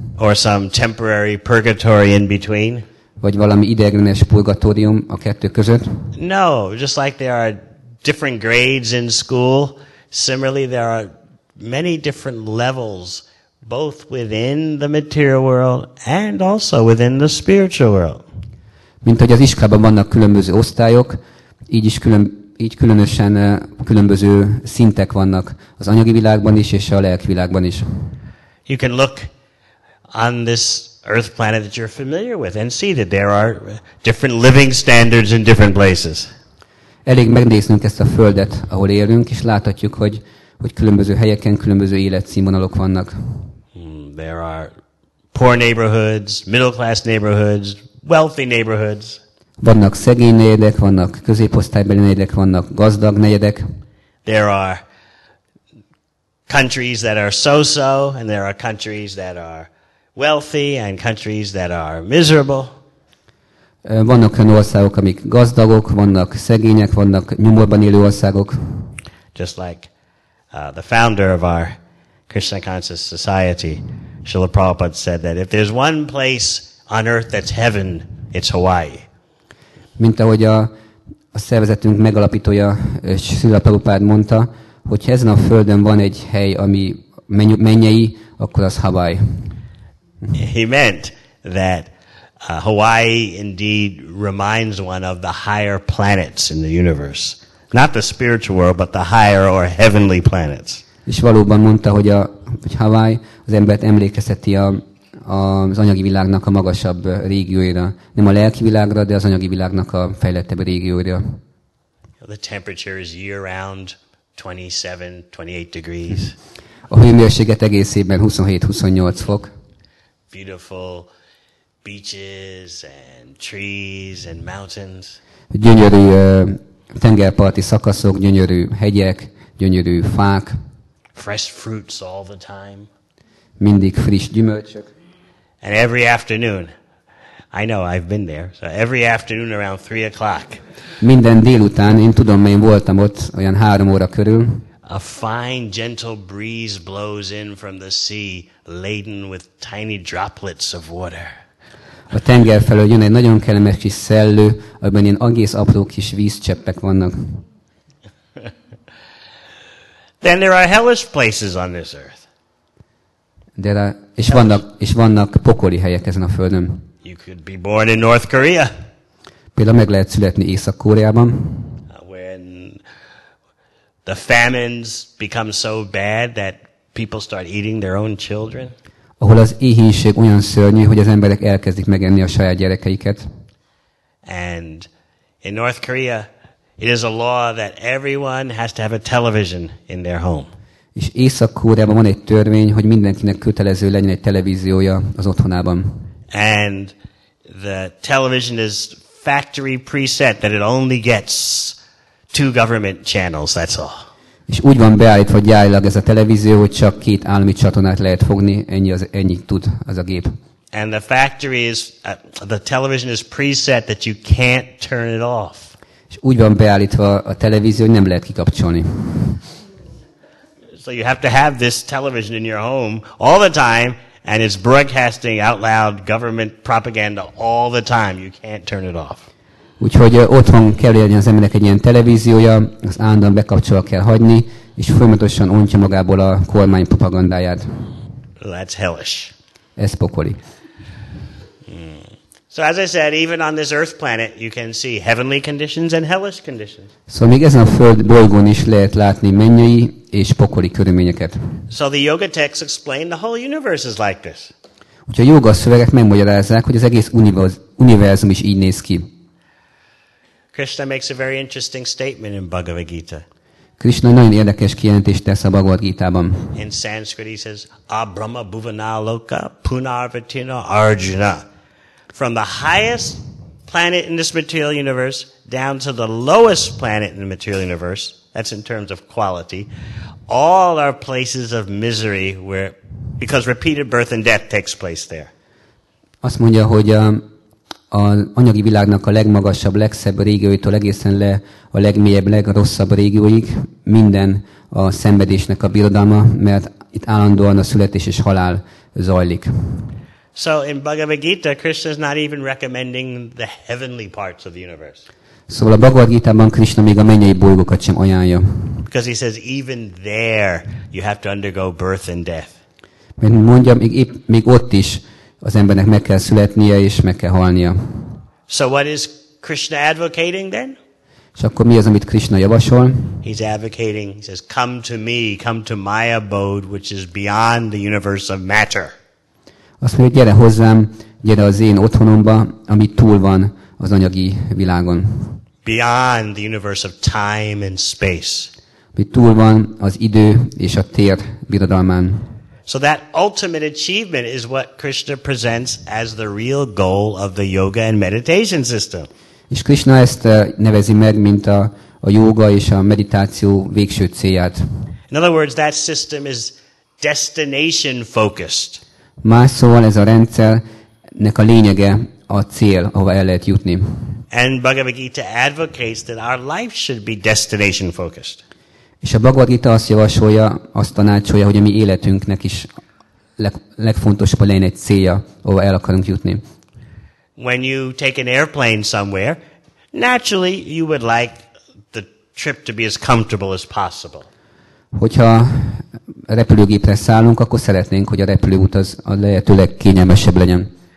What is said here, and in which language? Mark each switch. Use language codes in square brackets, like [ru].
[en] Or some temporary purgatory in between. [hu] Vagy valami ideiglenes purgatórium a kettő között. [en] No, just like there are different grades in school, similarly there are many different levels, both within the material world and also within the spiritual world. [hu] Mint hogy az iskolában vannak különböző osztályok, így is különösen különböző szintek vannak az anyagi világban is és a lelki világban is. [en] You can look on this earth planet that you're familiar with and see that there are different living standards in different places. [hu] Elég megnéznünk ezt a földet, ahol élünk, és láthatjuk, hogy különböző helyeken különböző életszínvonalok vannak. [en] There are poor neighborhoods, middle class neighborhoods, wealthy neighborhoods. [hu] Vannak szegény negyedek, vannak középosztálybeli negyedek, vannak gazdag negyedek. [en] There are countries that are so-so, and there are countries that are wealthy, and countries that are miserable. [hu] Vannak olyan országok, amik gazdagok, vannak szegények, vannak nyomorban élő országok. [en] Just like the founder of our Krishna Conscious Society, Srila Prabhupada said that if there's one place on earth that's heaven, it's Hawaii. [hu] Mint ahogy a szervezetünk megalapítója, Srila Prabhupada mondta, hogy ezen a földön van egy hely, ami mennyei, akkor az Hawaii. [en] He meant that Hawaii indeed reminds one of the higher planets in the universe. Not the spiritual world, but the higher or heavenly planets. [hu] És valóban mondta, hogy Hawaii az embert emlékezteti az anyagi világnak a magasabb régióira. Nem a lelki világra, de az anyagi világnak a fejlettebb régióira. [en] The temperature is year-round 27-28 degrees. [hu] A hőmérséklet egész évben 27-28 fok. [en] Beautiful beaches and trees and mountains. [hu] Gyönyörű tengerparti szakaszok, gyönyörű hegyek, gyönyörű fák. [en] Fresh fruits all the time. [hu] Mindig friss gyümölcsök. [en] And every afternoon, I know I've been there. So every afternoon around 3 o'clock. [hu] Minden délután, én tudom, mert én voltam ott olyan 3 óra körül. [en] A fine, gentle breeze blows in from the sea, laden with tiny droplets of water. [hu] A tenger felől jön egy nagyon kellemes kis szellő, amiben ilyen egész apró kis vízcseppek vannak. [en] Then there are hellish places on this earth. [hu] Vannak pokoli helyek ezen a földön. [en] You could be born in North Korea. [hu] Például meg lehet születni Észak-Koreában. [en] When the famines become so bad that people start eating their own children. [hu] Ahol az éhínség olyan szörnyű, hogy az emberek elkezdik megenni a saját gyerekeiket. [en] And in North Korea, it is a law that everyone has to have a television in their home. [hu] És Észak-Koreában van egy törvény, hogy mindenkinek kötelező legyen egy televíziója az otthonában. [en] And the television is factory preset that it only gets 2 government channels, that's all. [hu] És úgy van beállítva gyárilag ez a televízió, hogy csak 2 állami csatornát lehet fogni, ennyit tud az a gép. [en] And the factory is the television is preset that you can't turn it off. [hu] És úgy van beállítva a televízió, hogy nem lehet kikapcsolni. [en] So you have to have this television in your home all the time, and it's broadcasting out loud government propaganda all the time. You can't turn it off. [hu] Úgyhogy otthon kell legyen az embernek egy ilyen televíziója, az állandóan bekapcsolva kell hagyni, és folyamatosan ontja magából a kormány propagandáját. [en] That's hellish. [hu] Ez pokoli. [en] So as I said, even on this earth planet, you can see heavenly conditions and hellish conditions. So [hu] még ezen a föld bolygón is lehet látni mennyei és pokoli körülményeket. [en] So the yoga texts explain the whole universe is like this. [hu] Úgyhogy a jóga szövegek megmagyarázzák, hogy az egész univerzum is így néz ki. [en] Krishna makes a very interesting statement in Bhagavad Gita. [hu] Krishna nagyon érdekes kijelentést tesz a Bhagavad Gítában. [en] In Sanskrit he says, [sa] Abrahma Bhuvana Loka Punarvatino Arjuna. [en] From the highest planet in this material universe down to the lowest planet in the material universe, that's in terms of quality, all are places of misery where because repeated birth and death takes place there. [hu] Azt mondja, hogy a anyagi világnak a legmagasabb, legszebb régióitól egészen le a legmélyebb, legrosszabb régióig minden a szenvedésnek a birodalma, mert itt állandóan a születés és halál zajlik. [en] So in Bhagavad Gita, Krishna is not even recommending the heavenly parts of the universe. [hu] Szóval a Bhagavad Gita-ban Krishna még a mennyei bolygókat sem ajánlja. [en] Because he says even there you have to undergo birth and death. [hu] Mert mondja, még ott is az embernek meg kell születnie és meg kell halnia. [en] So what is Krishna advocating then? [hu] És akkor mi az, amit Krishna javasol? [en] He's advocating, he says, come to me, come to my abode, which is beyond the universe of matter. [hu] Azt mondja, gyere hozzám, gyere az én otthonomba, ami túl van az anyagi világon. [en] Beyond the universe of time and space. [hu] Ami túl van az idő és a tér birodalmán. [en] So that ultimate achievement is what Krishna presents as the real goal of the yoga and meditation system. [hu] És Krishna ezt nevezi meg, mint a jóga és a meditáció végső célját. [en] In other words, that system is destination focused. [hu] Más szóval ez a rendszernek a lényege a cél, ahova el lehet jutni. [en] And Bhagavad Gita advocates that our life should be destination focused. [hu] És a Bhagavad Gita azt javasolja, azt tanácsolja, hogy a mi életünknek is legfontosabb legyen egy célja, ahova el akarunk jutni. [en] When you take an airplane somewhere, naturally you would like the trip to be as comfortable as possible. [hu] Hogyha repülőgépre szállunk, akkor szeretnénk, hogy a repülőút az a lehető legkényelmesebb legyen.